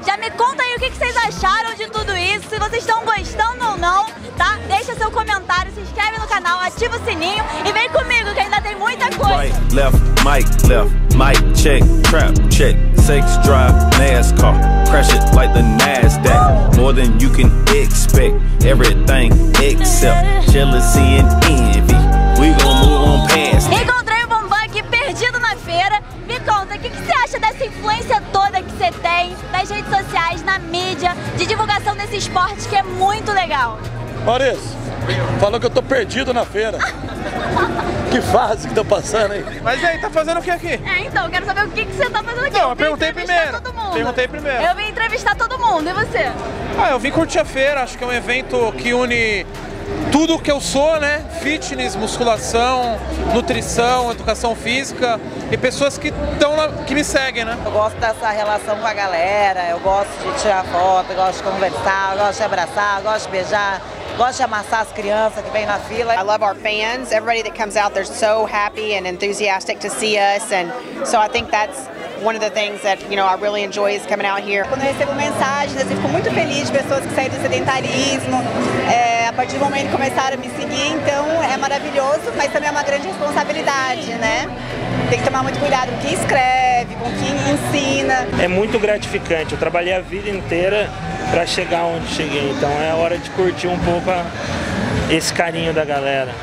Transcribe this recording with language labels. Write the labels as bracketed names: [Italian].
[Portuguese] Já me conta aí o que vocês acharam de tudo isso, se vocês estão gostando ou não, tá? Deixa seu comentário, se inscreve no canal, ativa o sininho e vem comigo que ainda tem muita coisa. [English] Right, left, mic, check, trap, check, sex, drive, NASCAR, crash it like the NASDAQ, more than you can expect, everything except jealousy and envy, we gon' move on past. [Portuguese] Encontrei o Bambam aqui perdido na feira. Me conta, o que você acha dessa influência toda que você tem nas redes sociais, na mídia, de divulgação desse esporte que é muito legal? Maurício, falou que eu tô perdido na feira. Que fase que tô passando aí. Mas aí, tá fazendo o que aqui? É, então, eu quero saber o que você tá fazendo aqui. Não, eu perguntei primeiro. Perguntei primeiro. Eu vim entrevistar todo mundo, e você? Ah, eu vim curtir a feira, acho que é um evento que une tudo o que eu sou, né? Fitness, musculação, nutrição, educação física e pessoas que estão lá, que me seguem, né? Eu gosto dessa relação com a galera, eu gosto de tirar foto, eu gosto de conversar, eu gosto de abraçar, eu gosto de beijar. Gosto de amassar as crianças que vem na fila. [English] I love our fans. Everybody that comes out, they're so happy and enthusiastic to see us. And so I think that's one of the things that, you know, I really enjoy is coming out here. [Portuguese] Quando eu recebo mensagens, eu fico muito feliz de pessoas que saem do sedentarismo, a partir do momento que começaram a me seguir. Então é maravilhoso, mas também é uma grande responsabilidade, né? Tem que tomar muito cuidado com o que escreve, com o que ensina. É muito gratificante. Eu trabalhei a vida inteira pra chegar onde cheguei, então é hora de curtir um pouco esse carinho da galera.